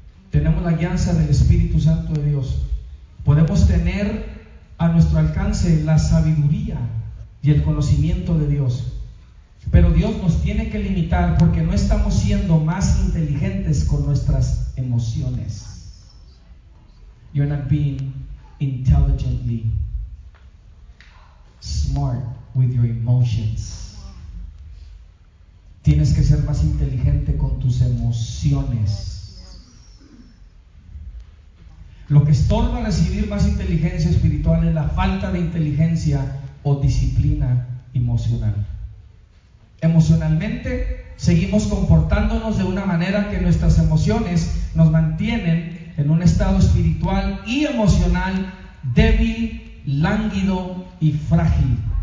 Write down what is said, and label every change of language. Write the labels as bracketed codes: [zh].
[es] Tenemos la guianza del Espíritu Santo de Dios. Podemos tener a nuestro alcance la sabiduría y el conocimiento de Dios. Pero Dios nos tiene que limitar porque no estamos siendo más inteligentes con nuestras emociones. [en] You're not being intelligently smart with your emotions. [es] Tienes que ser más inteligente con tus emociones. Lo que estorba recibir más inteligencia espiritual es la falta de inteligencia o disciplina emocional. Emocionalmente seguimos comportándonos de una manera que nuestras emociones nos mantienen en un estado espiritual y emocional débil, lánguido y frágil.